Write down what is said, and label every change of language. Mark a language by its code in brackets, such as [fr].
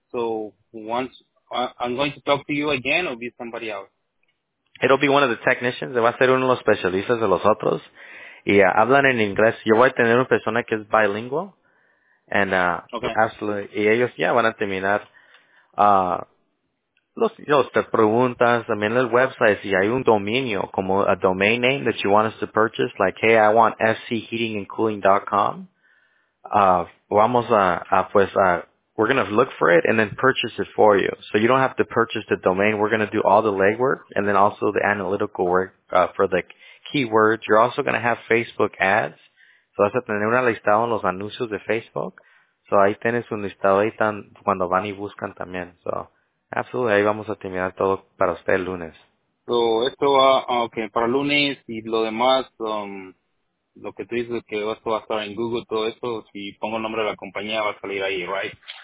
[en] So once I'm going to talk to you again, or be somebody else. It'll be one of the technicians. [es] Va a ser uno de los especialistas de los otros. Y hablan en inglés. Yo voy a tener una persona que es bilingüe. [en] And absolutely. [es] Y ellos ya van a terminar. Los preguntas también el website, si hay un dominio, como [en] a domain name that you want us to purchase, like, hey, I want [es] scheatingandcooling.com. [en] We're going to look for it and then purchase it for you. So you don't have to purchase the domain. We're going to do all the legwork and then also the analytical work for the keywords. You're also going to have Facebook ads. [es] So vas a tener una lista en los anuncios de Facebook. So ahí tienes un listado ahí cuando van y buscan también. So absolutely, ahí vamos a terminar todo para usted el lunes. So, esto va, okay, para lunes y lo demás, lo que tú dices que esto va a estar en Google, todo esto, si pongo el nombre de la compañía va a salir ahí, right?